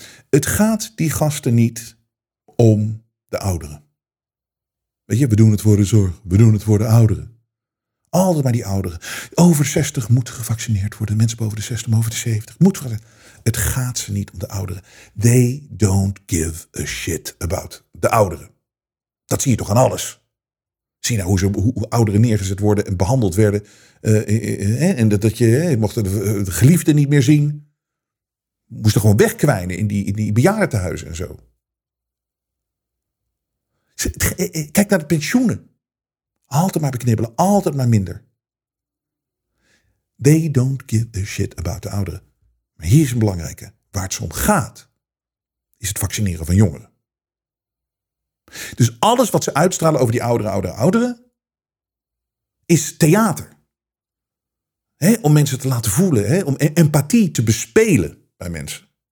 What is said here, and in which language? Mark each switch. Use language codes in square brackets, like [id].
[nl] Het gaat die gasten niet om de ouderen. Weet je, we doen het voor de zorg, we doen het voor de ouderen. Altijd maar die ouderen. Over 60 moet gevaccineerd worden. Mensen boven de 60, boven de 70. Moet worden. Het gaat ze niet om de ouderen. [en] They don't give a shit about [nl] de ouderen. Dat zie je toch aan alles. Zie nou hoe ouderen neergezet worden en behandeld werden. En dat je mocht de geliefden niet meer zien. Moesten gewoon wegkwijnen in die bejaardentehuizen en zo. Kijk naar de pensioenen. Altijd maar beknibbelen, altijd maar minder. [en] They don't give a shit about the [nl] ouderen. Maar hier is een belangrijke. Waar het om gaat, is het vaccineren van jongeren. Dus alles wat ze uitstralen over die ouderen, is theater. He, om mensen te laten voelen, om empathie te bespelen bij mensen.